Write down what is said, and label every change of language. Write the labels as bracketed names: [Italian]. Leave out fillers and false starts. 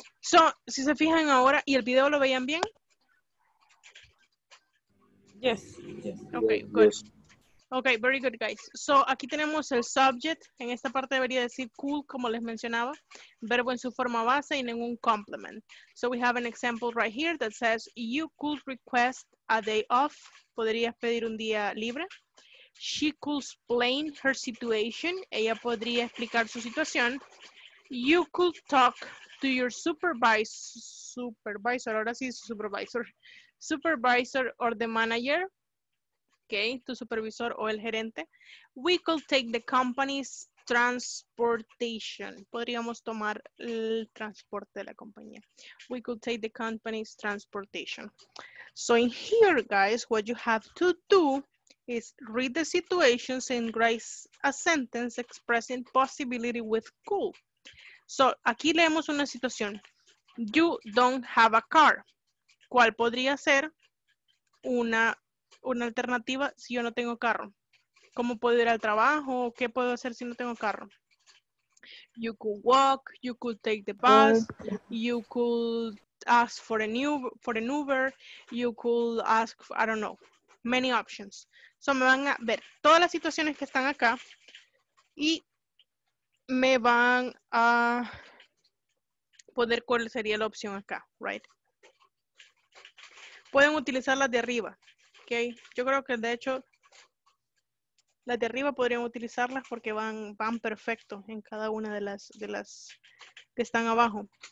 [Spanish] So, si se fijan ahora, ¿y el video lo veían bien? [English] Yes. Okay, good. Okay, very good, guys. So, [Spanish] aquí tenemos el [English] subject. [Spanish] En esta parte debería decir cool, como les mencionaba. Verbo en su forma base y ningún complement. [English] So, we have an example right here that says, you could request a day off. [Spanish] Podrías pedir un día libre. [English] She could explain her situation. [Spanish] Ella podría explicar su situación. [English] You could talk to your supervisor, [Spanish] ahora sí, [English] supervisor or the manager, okay, [Spanish] tu supervisor o el gerente. [English] We could take the company's transportation. [Spanish] Podríamos tomar el transporte de la compañía. [English] We could take the company's transportation. So in here, guys, what you have to do is read the situations and write a sentence expressing possibility with cool. So, [Spanish] aquí leemos una situación. [English] You don't have a car. [Spanish] ¿Cuál podría ser una alternativa si yo no tengo carro? ¿Cómo puedo ir al trabajo? ¿Qué puedo hacer si no tengo carro? [English] You could walk. You could take the bus. You could ask for an Uber. You could ask, I don't know. many options. [Spanish] So me van a ver todas las situaciones que están acá y me van a poner cuál sería la opción acá, right? Pueden utilizar las de arriba, ok? Yo creo que de hecho las de arriba podrían utilizarlas porque van perfecto en cada una de las que están abajo.